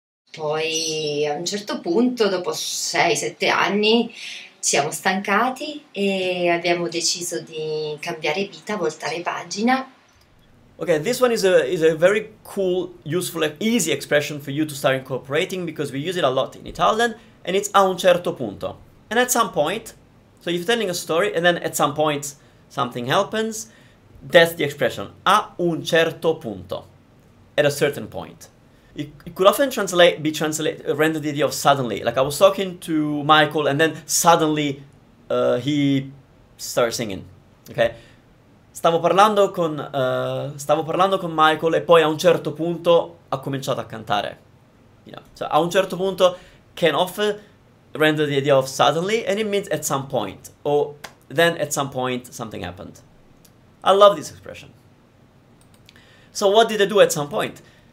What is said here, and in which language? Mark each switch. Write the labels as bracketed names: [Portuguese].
[Italian] Poi a un certo punto, dopo 6-7 anni, ci siamo stancati e abbiamo deciso di cambiare vita, voltare pagina. [English] Okay, this one is a very cool, useful, easy expression for you to start incorporating because we use it a lot in Italian, and it's [Italian] a un certo punto. [English] And at some point, so you're telling a story and then at some point something happens, that's the expression, [Italian] a un certo punto, [English] at a certain point. It could often render the idea of suddenly. Like I was talking to Michael and then suddenly he started singing, okay? [Italian] Stavo parlando con Michael e poi a un certo punto ha cominciato a cantare. [English] You know? So, [Italian] a un certo punto, [English] can often render the idea of suddenly, and it means at some point, or then at some point something happened. I love this expression. So what did I do at some point?